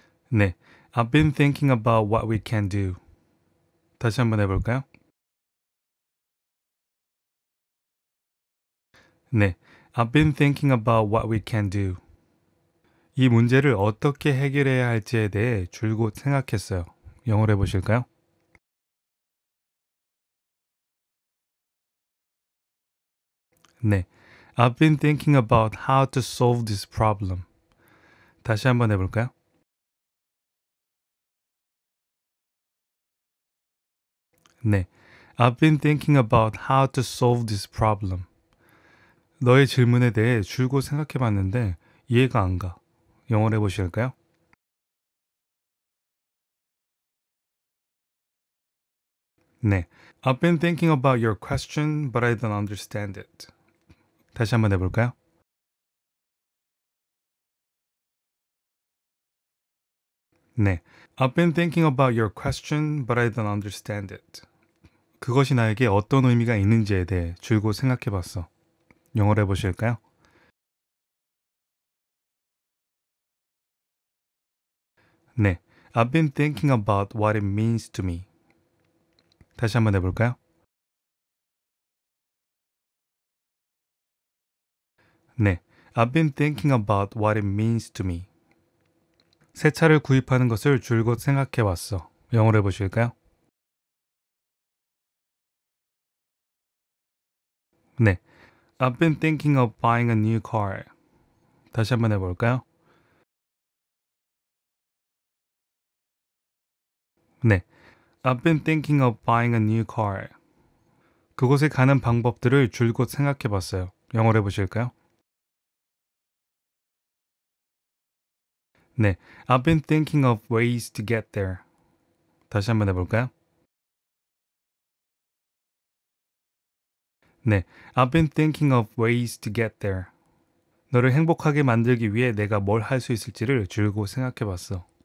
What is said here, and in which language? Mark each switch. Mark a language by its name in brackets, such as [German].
[English] 네, I've been thinking about what we can do. [Korean] 다시 한번 해볼까요? [English] 네, I've been thinking about what we can do. [Korean] 이 문제를 어떻게 해결해야 할지에 대해 줄곧 생각했어요. 영어로 해보실까요? [English] I've been thinking about how to solve this problem. [Korean] 다시 한번 해볼까요? [English] 네, I've been thinking about how to solve this problem. [Korean] 너의 질문에 대해 줄곧 생각해봤는데 이해가 안 가. 영어로 해보실까요? [English] 네, I've been thinking about your question, but I don't understand it. [Korean] 다시 한번 해볼까요? [English] 네, I've been thinking about your question, but I don't understand it. [Korean] 그것이 나에게 어떤 의미가 있는지에 대해 줄곧 생각해봤어. 영어로 해보실까요? [English] 네, I've been thinking about what it means to me. [Korean] 다시 한번 해볼까요? [English] 네, I've been thinking about what it means to me. [Korean] 새 차를 구입하는 것을 줄곧 생각해왔어. 영어로 해보실까요? [English] 네, I've been thinking of buying a new car. [Korean] 다시 한번 해볼까요? [English] 네, I've been thinking of buying a new car. [Korean] 그곳에 가는 방법들을 줄곧 생각해봤어요. 영어로 해보실까요? [English] 네, I've been thinking of ways to get there. [Korean] 다시 한번 해볼까요? [English] 네, I've been thinking of ways to get there. [Korean] 너를 행복하게 만들기 위해 내가 뭘 할 수 있을지를 줄곧 생각해봤어.